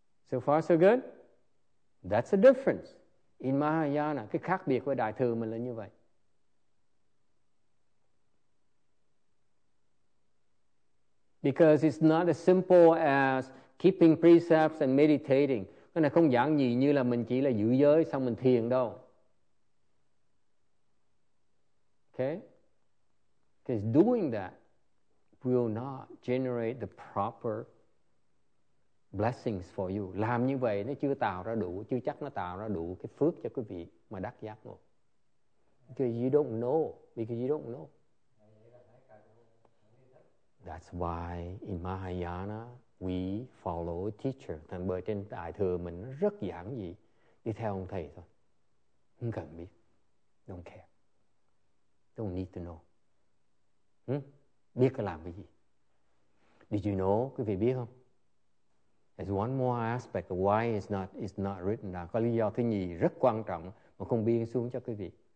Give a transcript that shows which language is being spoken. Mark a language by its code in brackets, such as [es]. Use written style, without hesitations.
[en] So far so good? That's the difference. In Mahayana, [vi] cái khác biệt với Đại Thừa mình là như vậy. [en] Because it's not as simple as keeping precepts and meditating. [vi] Cái này không giản gì như là mình chỉ là giữ giới xong mình thiền đâu. [en] Okay? Because doing that will not generate the proper blessings for you. [vi] Làm như vậy nó chưa tạo ra đủ, chưa chắc nó tạo ra đủ cái phước cho quý vị mà đắc giác ngộ. [en] Because you don't know. That's why in Mahayana we follow teacher. [vi] Thành bởi trên đại thừa mình rất giản dị, đi theo ông thầy thôi. Không cần biết. [en] Don't care. Don't need to know. [vi] Biết cái làm cái gì. [en] Did you know? [vi] Quý vị biết không? [en] There's one more aspect of why it's not written down. [vi] Có lý do thứ nhì rất quan trọng mà không biên xuống cho quý vị.